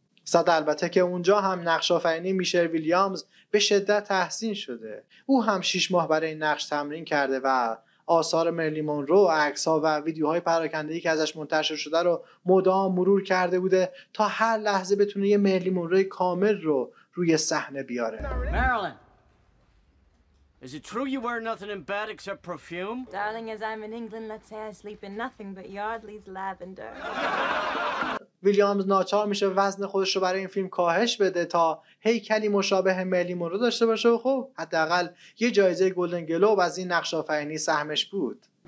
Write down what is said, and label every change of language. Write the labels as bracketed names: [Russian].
[Persian] صد البته که اونجا هم نقش آفرینی میشل ویلیامز به شدت تحسین شده. او هم 6 ماه برای این نقش تمرین کرده و آثار مرلی مونرو، عکس‌ها و ویدیوهای پراکنده‌ای که ازش منتشر شده رو مدام مرور کرده بوده تا هر لحظه بتونه یه مرلی مونرو کامل رو روی صحنه بیاره. [English] Is it true you wear nothing in bed except perfume? Darling, as I'm in England, let's say I sleep in nothing but Yardley's lavender. [Persian] ویلیامز ناچار میشه وزن خودش رو برای این فیلم کاهش بده تا هیکلی مشابه مرلی مونرو داشته باشه و خب حداقل یه جایزه گلدن گلوب از این نقش آفرینی سهمش بود.